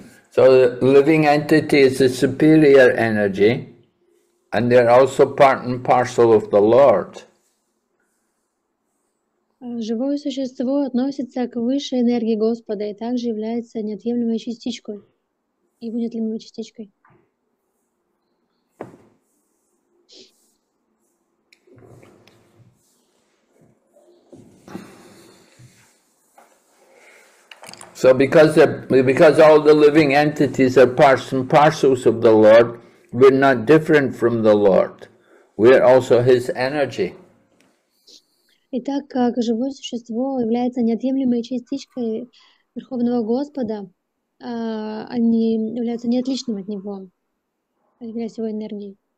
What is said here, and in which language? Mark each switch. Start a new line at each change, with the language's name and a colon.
English: So the living entity is a superior energy, and they are also part and parcel of the Lord.
Russian: Живое существо относится к высшей энергии Господа и также является неотъемлемой частичкой и неотъемлемой частичкой.
English: So because all the living entities are parts and parcels of the Lord, we're not different from the Lord. We are also His energy.
Russian: И так как живое существо является неотъемлемой частичкой Верховного Господа, они являются неотличным от Него, являются Его энергией.